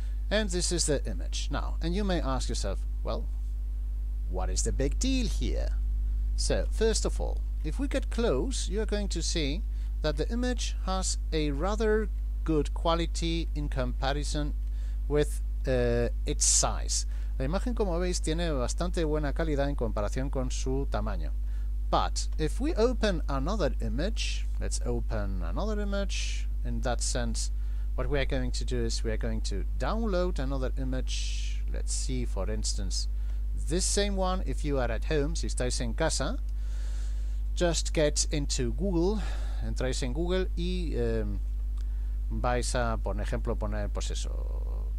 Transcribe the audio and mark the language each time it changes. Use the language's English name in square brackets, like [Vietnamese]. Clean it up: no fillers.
[English] And this is the image. Now, and you may ask yourself, well, what is the big deal here? So, first of all, if we get close, you're going to see that the image has a rather good quality in comparison with its size. [Spanish] La imagen, como veis, tiene bastante buena calidad en comparación con su tamaño. [English] But if we open another image, let's open another image. In that sense, what we are going to do is we are going to download another image. Let's see, for instance, this same one. If you are at home, [Spanish] si estáis en casa, [English] just get into Google, [Spanish] entráis en Google y vais a, por ejemplo, poner, pues eso,